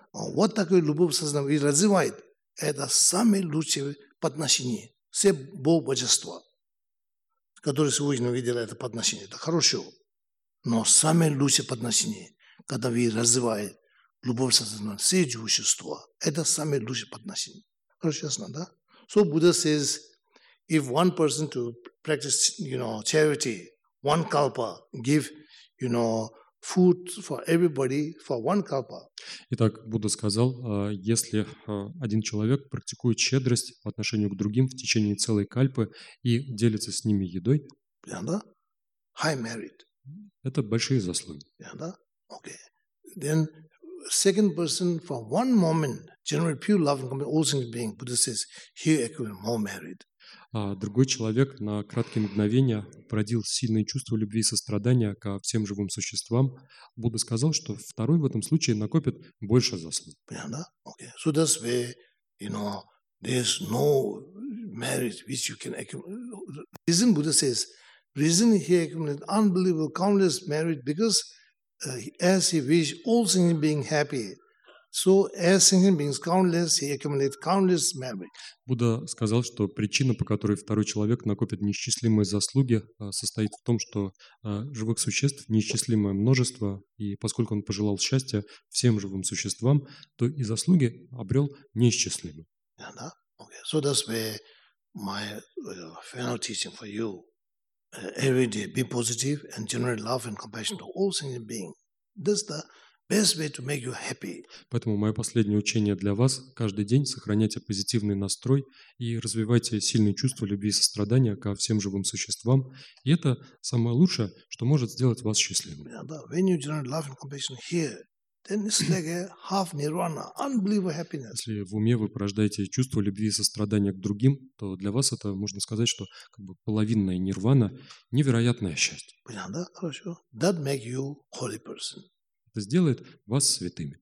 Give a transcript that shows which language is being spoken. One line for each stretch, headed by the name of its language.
Russian: Вот такой любовь сострадание вы развиваете, это самое лучшее подношение. Все Бог-божества, которые сегодня видели это подношение, это хорошо. Но самое лучшее подношение, когда вы развиваете любовь сознания, все существа, это самое лучшее подношение. Хорошо, ясно, да?
English: So Buddha says, if one person to practice, you know, charity, one kalpa, give, you know, food for everybody for one kalpa.
Russian: Итак, Будда сказал, если один человек практикует щедрость по отношению к другим в течение целой кальпы и делится с ними едой,
English: yeah, high merit.
Russian: Это большие заслуги.
English: Yeah, okay. Then second person for one moment generate pure love and compassion, all sentient being, Buddha says, he equals more merit.
Russian: А другой человек на краткие мгновения породил сильные чувства любви и сострадания ко всем живым существам. Будда сказал, что второй в этом случае накопит больше заслуг. Понятно? Okay.
English: So that's where, you know, there's no merit which you can accumulate. Reason, Buddha says, reason he accumulated unbelievable countless merit because as he wished all sentient being happy. So as sentient beings countless, he accumulates countless merit.
Russian: Будда сказал, что причина, по которой второй человек накопит неисчислимые заслуги, состоит в том, что живых существ неисчислимое множество, и поскольку он пожелал счастья всем живым существам, то и заслуги обрел неисчислимые.
English: Yeah,
Russian: да?
English: Okay. So that's where my final teaching for you. Every day be positive and generate love and compassion to all sentient beings. That's the best way to make you happy.
Russian: Поэтому мое последнее учение для вас: каждый день сохраняйте позитивный настрой и развивайте сильные чувства любви и сострадания ко всем живым существам. И это самое лучшее, что может сделать вас счастливым.
English: Yeah, but when you generate love and compassion here, then it's like a half nirvana, unbelievable happiness.
Russian: Если в уме вы порождаете чувство любви и сострадания к другим, то для вас это, можно сказать, что как бы половинная нирвана, невероятное счастье. Понятно, да? Хорошо.
English: That make you holy person.
Russian: Это сделает вас святыми.